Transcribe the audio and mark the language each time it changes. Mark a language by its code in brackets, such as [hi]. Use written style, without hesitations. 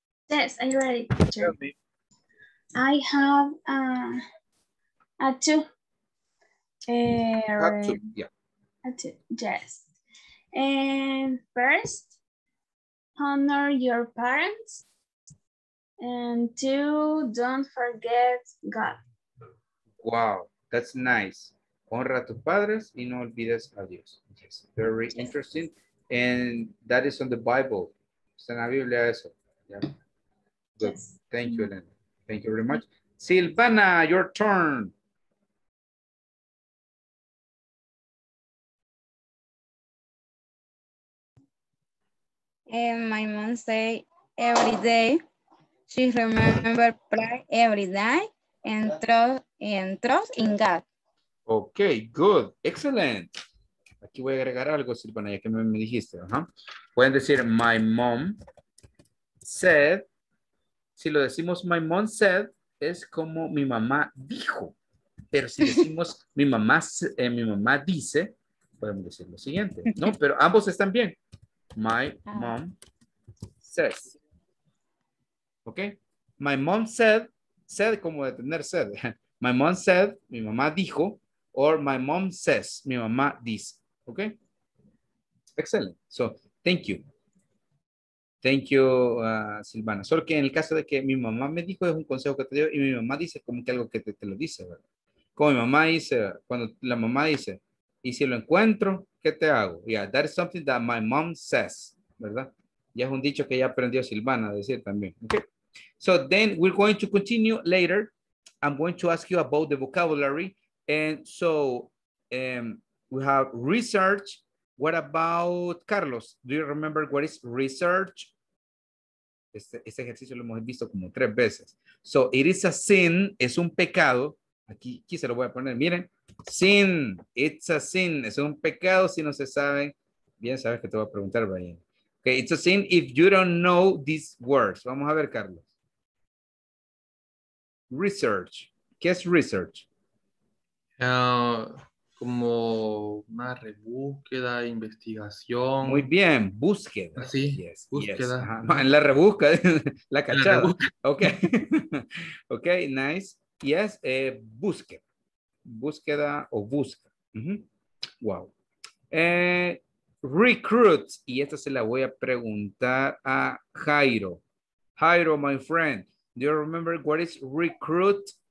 [en] Yes, I'm ready. I have a two. And first, honor your parents, and two, don't forget God. Wow, that's nice. [es] Honra a tus padres y no olvides a Dios. [en] Yes, very interesting. And that is on the Bible. Está en la Biblia eso. Yeah. Good. Yes. Thank you, Elena. Thank you very much. Silvana, your turn. Hey. My mom say every day. She remember pray every day and trust in God. Okay, good. Excellent. [es] Aquí voy a agregar algo, Silvana, ya que me dijiste. Pueden decir, my mom said. Si lo decimos, my mom said, es como mi mamá dijo. Pero si decimos, mi mamá dice, podemos decir lo siguiente. No, pero ambos están bien. My mom says. Ok. My mom said, said como de tener sed. My mom said, mi mamá dijo. [en] Or my mom says, mi mamá dice. Ok. Excellent. So, thank you. Thank you, Silvana. [es] Solo que en el caso de que mi mamá me dijo, es un consejo que te dio, y mi mamá dice como que algo que te lo dice, ¿verdad? Como mi mamá dice, cuando la mamá dice, y si lo encuentro, ¿qué te hago? Yeah, that is something that my mom says, ¿verdad? Ya es un dicho que ya aprendió Silvana a decir también. [en] Okay. So then we're going to continue later. I'm going to ask you about the vocabulary. And so we have research. What about Carlos? Do you remember what is research? [es] Este ejercicio lo hemos visto como tres veces. So it is a sin, es un pecado. Aquí se lo voy a poner, miren. Sin, it's a sin, es un pecado si no se sabe. Bien, sabes que te voy a preguntar, Brian. [en] Okay, it's a sin if you don't know these words. [es] Vamos a ver, Carlos. Research. ¿Qué es research? Como una rebúsqueda, investigación. Muy bien, búsqueda. Así, yes, búsqueda. Yes. Ajá, en la rebúsqueda, la cachada. La rebúsqueda. Ok, ok, nice. Yes, búsqueda. Búsqueda o busca. Wow. Recruit. Y esta se la voy a preguntar a Jairo. [en] Jairo, my friend, do you remember what is recruit?